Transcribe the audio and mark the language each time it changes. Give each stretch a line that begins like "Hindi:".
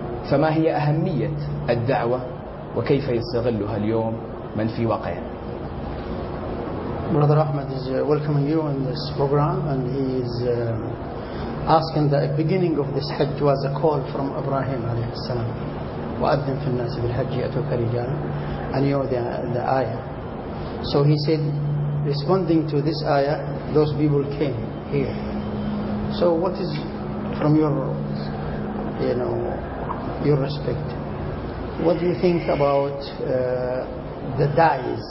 Arabic: فما هي أهمية الدعوة وكيف يستغلها اليوم من في واقعها؟
English: Brother Ahmed is welcoming you in this program, and he is asking that the beginning of this Hajj was a call from Ibrahim عليه السلام.
Arabic: وأذن في الناس بالحج يأتوك رجالا.
English: And you know the ayah. So he said, responding to this ayah, those people came here. So what is, from your, you know, your respect, what do you think about the da'is?